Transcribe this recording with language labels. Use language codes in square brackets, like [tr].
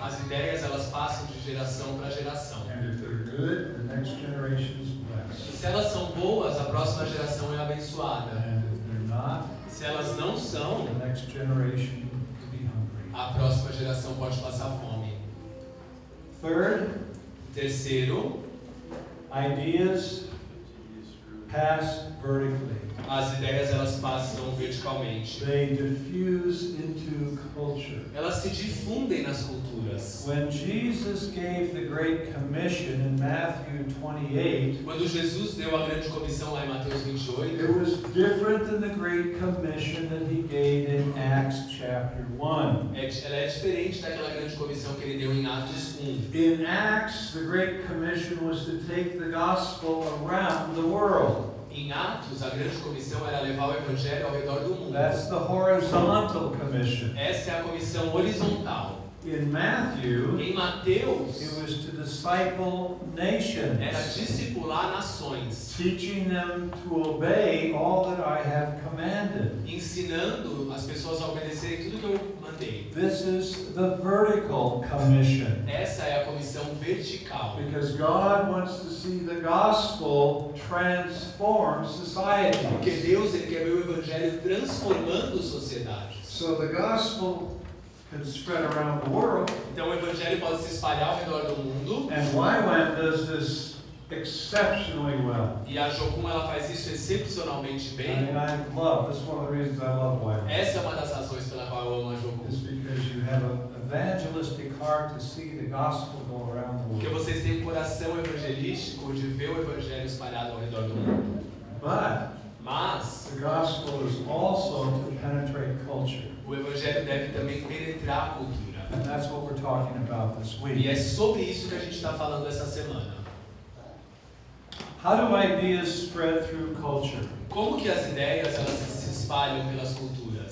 [pt] As ideias elas passam de geração para geração. [en] And if they're good, the next generation is blessed. [pt] E se elas são boas, a próxima geração é abençoada. [en] And if they're not, [pt] se elas não são, [en] the next generation could be hungry. [pt] A próxima geração pode passar fome. [en] Third, [pt] terceiro, [en] ideas pass vertically. [pt] As ideias elas passam verticalmente. [en] They diffuse into culture. [pt] Elas se difundem nas culturas. [en] When Jesus gave the Great Commission in Matthew 28, [pt] quando Jesus deu a grande comissão lá em Mateus 28, [en] it was different than the Great Commission that he gave in Acts chapter 1. [pt] Ela é diferente daquela grande comissão que ele deu em Atos 1. [en] In Acts, the Great Commission was to take the gospel around the world. [pt] Em Atos, a grande comissão era levar o evangelho ao redor do mundo. [en] That's the horizontal commission. [pt] Essa é a comissão horizontal. [en] In Matthew, [pt] em Mateus, [en] it was to disciple nations. [pt] Era discipular nações. [en] Teaching them to obey all that I have commanded. [pt] Ensinando as pessoas a obedecerem tudo que eu mandei. [en] This is the vertical commission. [pt] Essa é a comissão vertical. [en] Because God wants to see the gospel transform society. [pt] Porque Deus ele quer ver o evangelho transformando sociedade. [en] So the gospel can spread around the world. [pt] Então o evangelho pode se espalhar ao redor do mundo. [en] And YWAM does this exceptionally well. [pt] E a Jocum ela faz isso excepcionalmente bem. [en] And I love, this is one of the reasons I love YWAM. [pt] Essa é uma das razões pela qual eu amo a Jocum. [en] It's because you have an evangelistic heart to see the gospel go around the world. [pt] Porque vocês têm um coração evangelístico de ver o evangelho espalhado ao redor do mundo. [en] Mas the gospel is also to penetrate culture. [pt] O evangelho deve também penetrar a cultura. [en] And that's what we're talking about this week. [pt] E é sobre isso que a gente está falando essa semana. [en] How do ideas spread through culture? [pt] Como que as ideias elas se espalham pelas culturas?